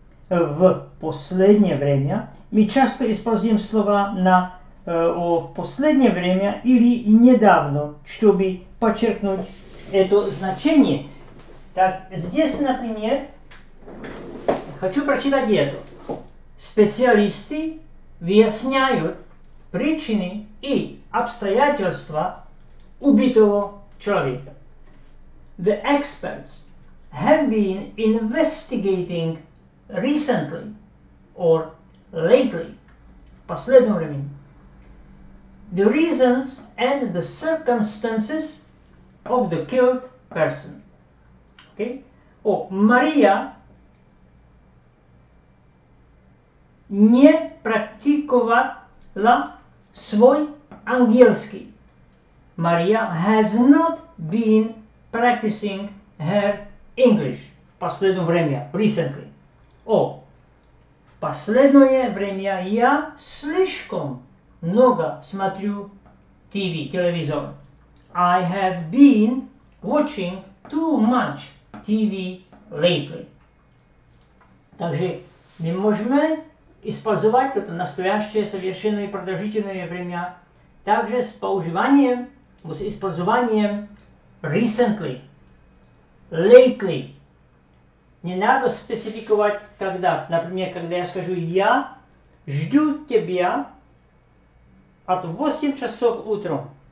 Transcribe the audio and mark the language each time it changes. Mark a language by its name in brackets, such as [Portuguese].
[Russian] В последнее время мы часто используем слова в последнее время или недавно, чтобы подчеркнуть это значение. Так, здесь, например, хочу прочитать это. Специалисты выясняют причины и обстоятельства убитого человека. [English] The experts have been investigating recently or lately, [Russian] в последнем времени, [English] the reasons and the circumstances of the killed person. Okay? [Russian] Мария не практиковала свой ангельский. [English] Мария has not been practicing her English [Russian] в последнее время, [English] recently. [Russian] В последнее время я слишком много смотрю телевизор. [English] I have been watching too much TV lately. [Russian] Также мы можем использовать это настоящее совершенное продолжительное время также с поуживанием, с использованием [English] recently, lately. [Russian] Не надо спецификовать когда. Например, когда я скажу «Я жду тебя от 8 часов утром».